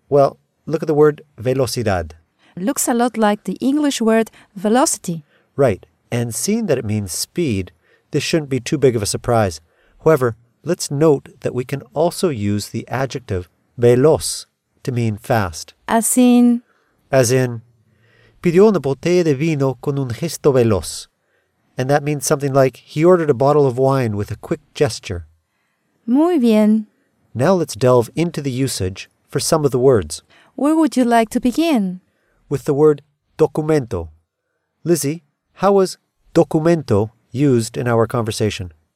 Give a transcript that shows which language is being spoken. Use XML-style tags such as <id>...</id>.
<en>Well, look at the word velocidad. Looks a lot like the English word velocity. Right, and seeing that it means speed, this shouldn't be too big of a surprise. However, let's note that we can also use the adjective veloz to mean fast. As in,</en> <es>pidió una botella de vino con un gesto veloz.</es> <en>And that means something like, he ordered a bottle of wine with a quick gesture.</en> <es>Muy bien.</es> <en>Now let's delve into the usage for some of the words. Where would you like to begin? With the word documento. Lizzie, how was documento used in our conversation?</en>